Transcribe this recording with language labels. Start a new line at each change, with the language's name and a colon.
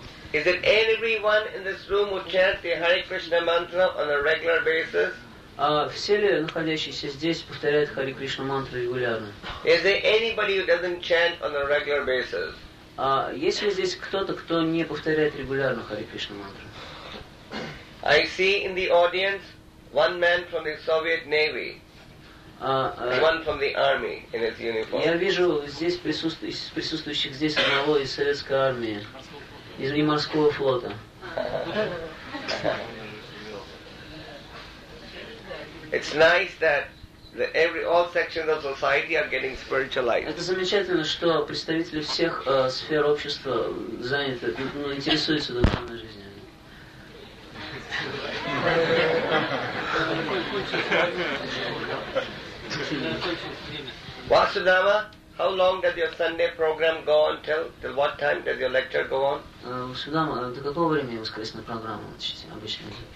English: Is it everyone in this room who chants the Hare Krishna mantra on a regular basis?
Russian: Все ли находящиеся здесь повторяют Хари Кришна мантру регулярно?
English: Is there anybody who doesn't chant on a regular basis?
Russian: Есть ли здесь кто-то, кто не повторяет регулярно Хари Кришна мантру?
English: I see in the audience one man from the Soviet Navy. One from the army in his uniform.
Russian: Я вижу здесь присутствующих здесь одного из советской армии, из морского флота.
English: It's nice that all sections of society are getting spiritualized.
Russian: Это замечательно, что представители всех сфер общества заняты, ну, интересуются духовной жизнью.
English: Vasudhava, how long does your Sunday program go on till? Till what time does your lecture go on?
Russian: Vasudhava, до какого времени воскресная программа учите обычно?